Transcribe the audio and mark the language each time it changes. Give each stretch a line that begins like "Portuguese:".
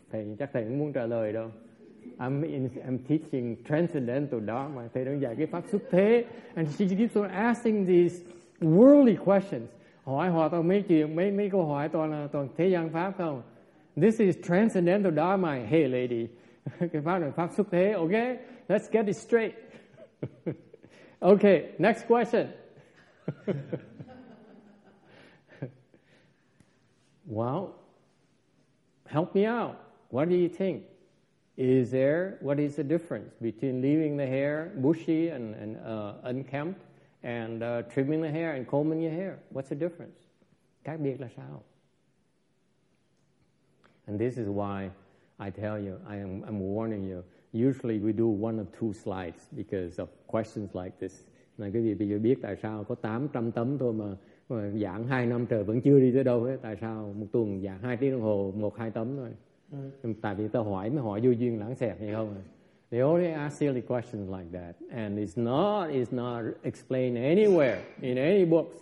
Vietnamese: Thầy chắc thầy cũng muốn trả lời đâu.
English: I'm teaching transcendental dharma.
Vietnamese: Thầy đang dạy cái pháp xuất thế.
English: And she keeps on asking these worldly questions.
Vietnamese: Hỏi họ toàn mấy chuyện, mấy câu hỏi toàn thế gian pháp không?
English: This is transcendental dharma. Hey, lady.
Vietnamese: Cái pháp này pháp xuất thế,
English: okay? Let's get it straight. Okay, next question. Well, help me out. What do you think? Is there, what is the difference between leaving the hair bushy and unkempt and trimming the hair and combing your hair? What's the difference?
Vietnamese: Khác biệt là sao?
English: And this is why I tell you, I'm warning you, usually we do one of two slides because of questions like this.
Vietnamese: Là quý vị bây giờ biết tại sao có 800 tấm thôi mà giảng 2 năm trời vẫn chưa đi tới đâu hết. Tại sao một tuần giảng 2 tiếng đồng hồ, 1-2 tấm thôi. Right. Tại vì ta hỏi mới hỏi vô duyên lãng xẹt hay không.
English: They only ask silly questions like that. And it's not explained anywhere in any books.